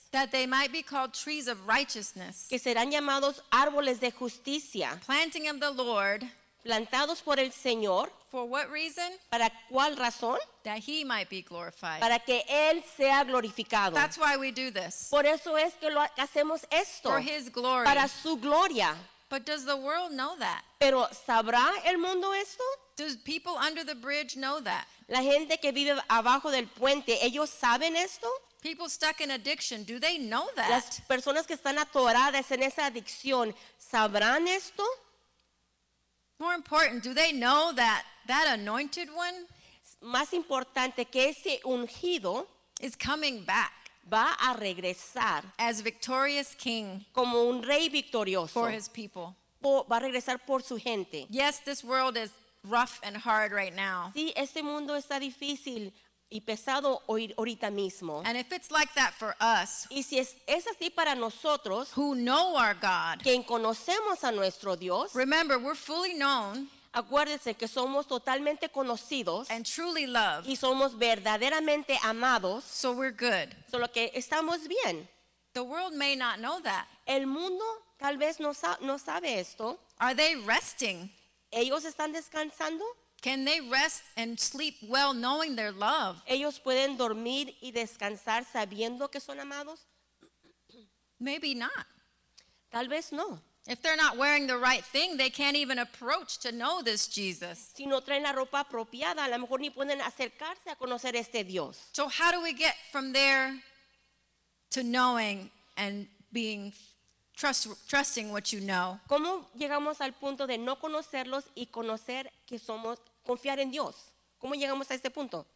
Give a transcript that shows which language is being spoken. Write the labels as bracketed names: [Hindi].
[English] That they might be called trees of righteousness. [Spanish] Que serán llamados árboles de justicia. [English] Planting of the Lord. [Spanish] Plantados por el Señor. [English] For what reason? [Spanish] ¿Para cuál razón? [English] That he might be glorified. [Spanish] Para que él sea glorificado. [English] That's why we do this. [Spanish] Por eso es que lo hacemos esto. [English] For his glory. [Spanish] Para su gloria. [English] But does the world know that? [Spanish] ¿Pero sabrá el mundo esto? [English] Does people under the bridge know that? [Spanish] La gente que vive abajo del puente, ¿ellos saben esto? [English] People stuck in addiction, do they know that? [Spanish] Las personas que están atoradas en esa adicción, ¿sabrán esto? [English] More important, do they know that anointed one? [Spanish] Más importante, que ese ungido [English] is coming back. [Spanish] Va a regresar [English] as victorious king. [Spanish] Como un rey victorioso. [English] For his people. [Spanish] Va a regresar por su gente. [English] Yes, this world is rough and hard right now. [Spanish] Sí, este mundo está difícil y pesado ahorita mismo. [English] And if it's like that for us, [Spanish] y si es así para nosotros, [English] who know our God, [Spanish] quien conocemos a nuestro Dios, [English] remember, we're fully known. [Spanish] Acuérdense que somos totalmente conocidos [English] and truly loved, [Spanish] y somos verdaderamente amados, [English] so we're good. [Spanish] Solo que estamos bien. [English] The world may not know that. [Spanish] El mundo tal vez no sabe esto. [English] Are they resting? [Spanish] ¿Ellos están descansando? [English] Can they rest and sleep well knowing they're loved? [Spanish] ¿Ellos pueden dormir y descansar sabiendo que son amados? [English] Maybe not. [Spanish] Tal vez no. [English] If they're not wearing the right thing, they can't even approach to know this Jesus. [Spanish] Si no traen la ropa apropiada, a lo mejor ni pueden acercarse a conocer este Dios. [English] So how do we get from there to knowing and being trusting what you know? [Spanish] ¿Cómo llegamos al punto de no conocerlos y conocer que somos, confiar en Dios? ¿Cómo llegamos a este punto?